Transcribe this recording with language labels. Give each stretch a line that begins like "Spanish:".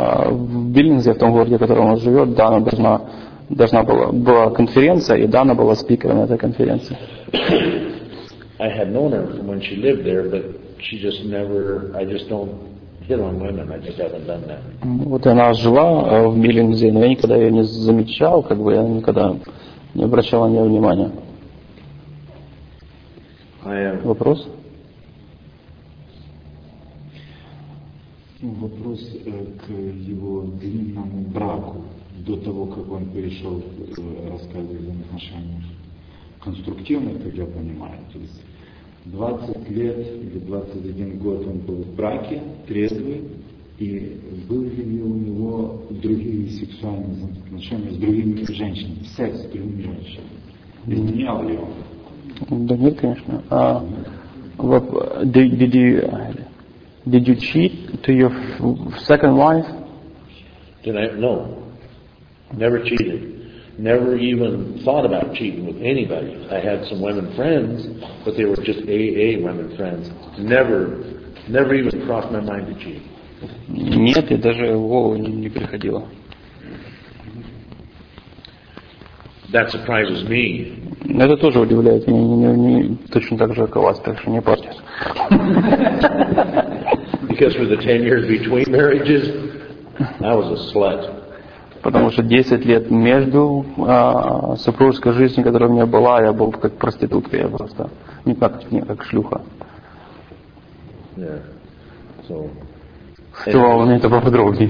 Russian: В Биллингсе, в том городе, в котором он живет, Дана должна была конференция, и Дана была спикером на этой конференции.
English: I had known her from when she lived there, but she just never, I just don't hit on women. I just haven't done that.
Russian: Вот она жила в Биллингзе, но я никогда ее не замечал, как бы я никогда не обращал на нее внимания. Вопрос? Вопрос к его длинному браку до того, как он перешел в рассказы о отношениях. Конструктивный, как я понимаю. То есть 20 лет или 21 год он был в браке, трезвый, и были ли у него другие сексуальные отношения с другими женщинами, секс с другими женщинами? Изменял ли он? Да нет, конечно.
English: Did you cheat to your second wife? No. Never cheated. Never even thought about cheating with anybody. I had some women friends, but they were just AA women friends. Never even crossed my mind to cheat.
Russian: Нет, и даже в голову не приходило.
English: That surprises me.
Russian: Это тоже удивляет меня. Не точно так же, как у вас, так что не портит.
English: Because for the 10 years between marriages, I was a slut.
Russian: Потому что 10 лет между супружеской жизнью, которая у меня была, я был как проститутка, я просто не так, не как шлюха.
English: Yeah. So.
Russian: Что вам это поподробнее?